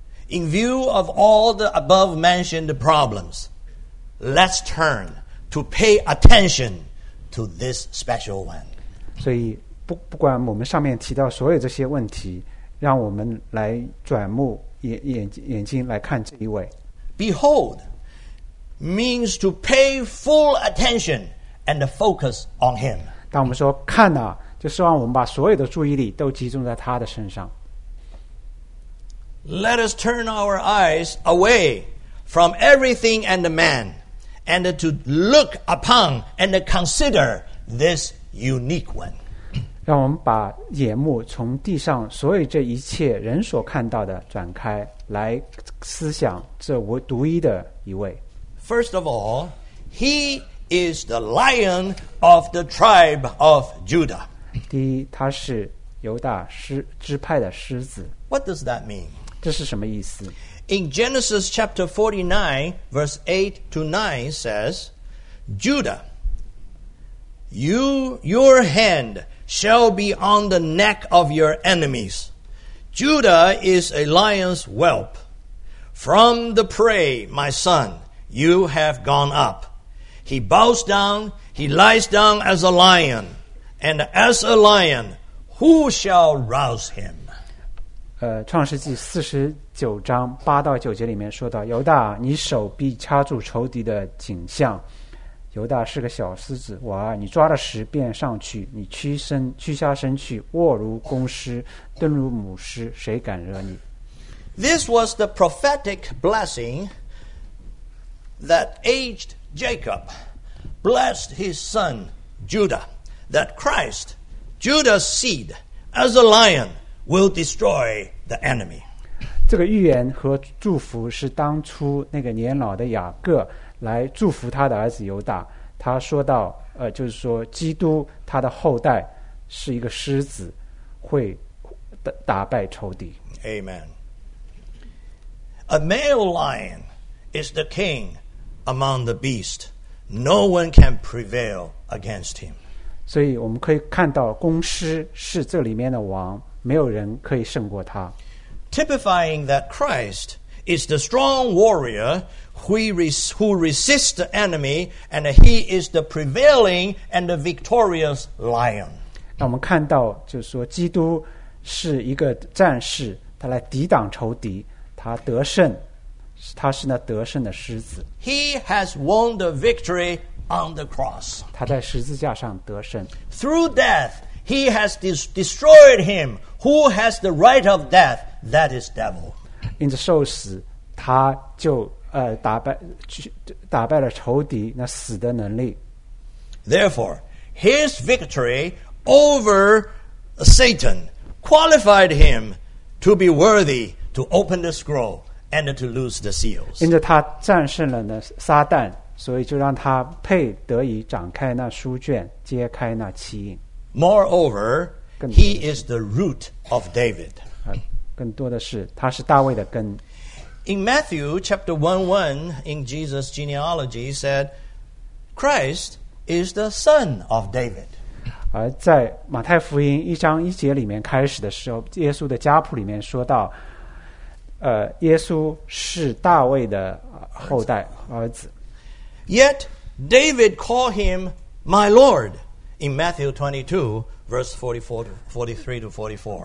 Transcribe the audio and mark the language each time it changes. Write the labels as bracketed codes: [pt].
[en] In view of all the above mentioned problems, let's turn to pay attention to this special one. [zh] 所以不管我们上面提到所有这些问题，让我们来转目眼睛来看这一位。 [en] Behold means to pay full attention and focus on him. [zh] 当我们说看哪，就希望我们把所有的注意力都集中在他的身上。 [en] Let us turn our eyes away from everything and the man, and to look upon and consider this unique one. [zh] 让我们把眼目从地上所有这一切人所看到的转开，来思想这独一的一位。 [en] First of all, he is the lion of the tribe of Judah. [zh] 第一，他是犹大支派的狮子。 [en] What does that mean? [zh] 这是什么意思? [en] In Genesis chapter 49, verse 8 to 9 says, Judah, your hand shall be on the neck of your enemies. Judah is a lion's whelp. From the prey, my son, you have gone up. He bows down, he lies down as a lion. And as a lion, who shall rouse him? [zh] 创世纪四十九章八到九节里面说到，犹大，你手臂掐住仇敌的颈项。犹大是个小狮子，我儿，你抓了时便上去，你屈下身去，卧如公狮，蹲如母狮，谁敢惹你 [en] ？This was the prophetic blessing that aged Jacob blessed his son Judah, that Christ, Judah's seed, as a lion. Will destroy the enemy. [zh] 这个预言和祝福是当初那个年老的雅各来祝福他的儿子犹大。他说到，就是说基督他的后代是一个狮子，会打败仇敌。 [en] Amen. A male lion is the king among the beasts. No one can prevail against him. [zh] 所以我们可以看到，公狮是这里面的王。没有人可以胜过他。 [en] Typifying that Christ is the strong warrior who resists the enemy, and he is the prevailing and the victorious lion. [zh] 那我们看到，就是说，基督是一个战士，他来抵挡仇敌，他得胜，他是那得胜的狮子。 [en] He has won the victory on the cross. [zh] 他在十字架上得胜。 [en] Through death. He has destroyed him who has the right of death, that is devil. [zh] 因着受死，他就打败了仇敌那死的能力。 [en] Therefore, his victory over Satan qualified him to be worthy to open the scroll and to lose the seals. [zh] 因着他战胜了那撒旦，所以就让他配得以展开那书卷，揭开那七印。 [en] Moreover, he is the root of David. [zh] 更多的是，他是大卫的根。 [en] In Matthew chapter 1:1, in Jesus' genealogy, said, Christ is the son of David. [zh] 而在马太福音一章一节里面开始的时候，耶稣的家谱里面说到，耶稣是大卫的后代儿子。 [en] Yet David called him my Lord in Matthew 22 verse 43 to 44.